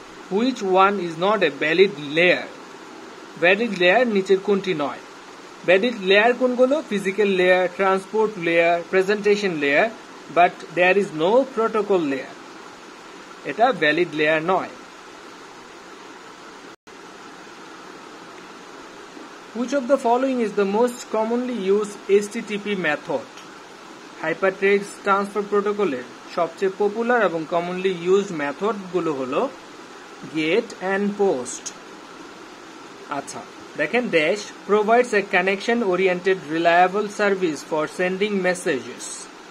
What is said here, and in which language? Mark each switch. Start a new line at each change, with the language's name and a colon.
English: which one is not a valid layer,
Bangla: valid layer নিচের কোনটি নয়? ভ্যালিড লেয়ার কোনগুলো? Physical layer, transport layer, presentation layer,
English: but there is no protocol layer,
Bangla: এটা valid layer নয়।
English: Which of the following is the most commonly used HTTP method?
Bangla: Hypertext Transfer Protocol এর সবচেয়ে popular এবং commonly used method গুলো হলো gate and post. আচ্ছা দেখেন,
English: Dash provides a connection oriented reliable service for sending messages.